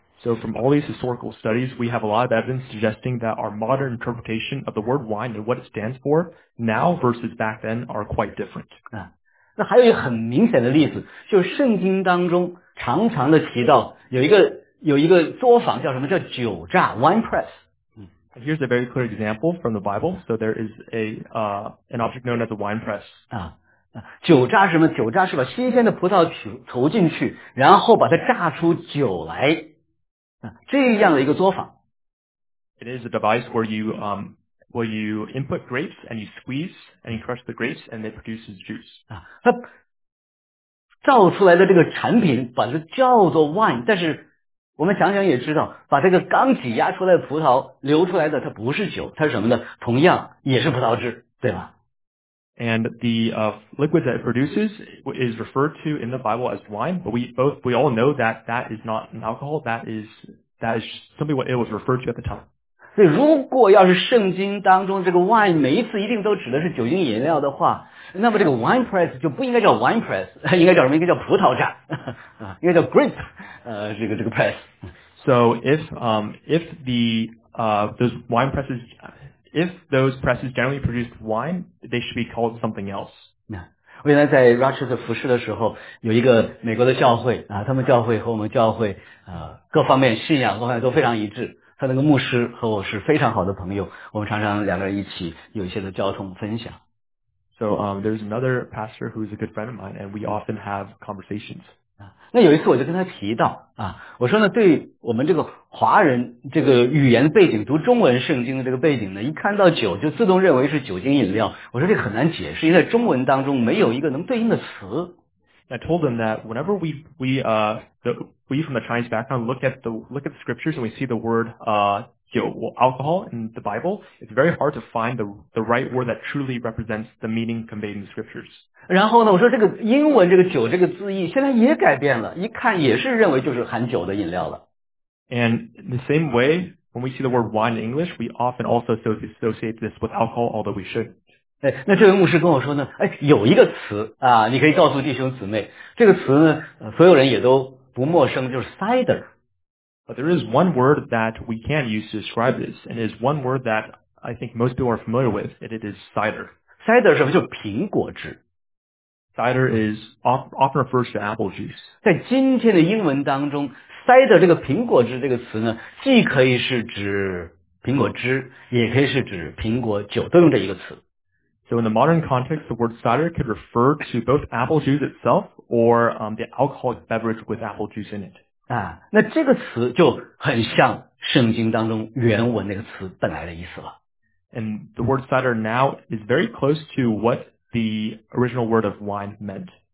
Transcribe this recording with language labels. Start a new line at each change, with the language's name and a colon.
English: So from all these historical studies, we have a lot of evidence suggesting that our modern interpretation of the word wine and what it stands for now versus back then are quite different.
Chinese: 那还有一个很明显的例子，就是圣经当中常常的提到有一个作坊叫什么？叫酒榨 wine press.
English: Here's a very clear example from the Bible. So there is an object known as the wine press.
Chinese: 酒榨什么？酒榨是把新鲜的葡萄投进去，然后把它榨出酒来。这样的一个作坊。
English: It is a device where you input grapes and you squeeze and you crush the grapes and it produces juice.
Chinese: 它造出来的这个产品把它叫做 wine， 但是我们想想也知道，把这个刚挤压出来的葡萄流出来的它不是酒，它是什么呢？同样也是葡萄汁，对吧？
English: And the liquid that it produces is referred to in the Bible as wine, but we all know that is not an alcohol, that is just simply what it was referred to at the time.
Chinese: 所以如果要是圣经当中这个 wine 每一次一定都指的是酒精饮料的话，那么这个 wine press 就不应该叫 wine press， 应该叫什么？应该叫葡萄榨，应该叫 grape， 这个 press。
English: So if the those wine presses, if those presses generally produce wine, they should be called something else.
Chinese: 我原来在 Rochester 服侍的时候，有一个美国的教会啊，他们教会和我们教会各方面信仰各方面都非常一致。他那个牧师和我是非常好的朋友，我们常常两个人一起有一些的交通分享。
English: So there's another pastor who's a good friend of mine, and we often have conversations.
Chinese: 那有一次我就跟他提到啊，我说呢，对我们这个华人这个语言背景，读中文圣经的这个背景呢，一看到酒就自动认为是酒精饮料。我说这很难解释，因为在中文当中没有一个能对应的词。
English: I told them that whenever we from the Chinese background look at the scriptures and we see the word alcohol in the Bible, it's very hard to find the right word that truly represents the meaning conveyed in the scriptures.
Chinese: 然后呢，我说这个英文这个酒这个字义现在也改变了，一看也是认为就是含酒的饮料了。
English: And in the same way, when we see the word wine in English, we often also associate this with alcohol, although we shouldn't.
Chinese: 哎，那这位牧师跟我说呢，哎，有一个词啊，你可以告诉弟兄姊妹，这个词呢，所有人也都不陌生，就是 cider。
English: But there is one word that we can use to describe this, and it is one word that I think most people are familiar with, and it is cider.
Chinese: Cider 什么？就苹果汁。
English: Cider is often refers to apple juice.
Chinese: 在今天的英文当中 ，cider 这个苹果汁这个词呢，既可以是指苹果汁，也可以是指苹果酒，都用这一个词。
English: So in the modern context, the word cider could refer to both apple juice itself or the alcoholic beverage with apple juice in it.
Chinese: 啊，那这个词就很像圣经当中原文那个词本来的意思了。
English: And the word cider now is very close to what the original word of wine meant.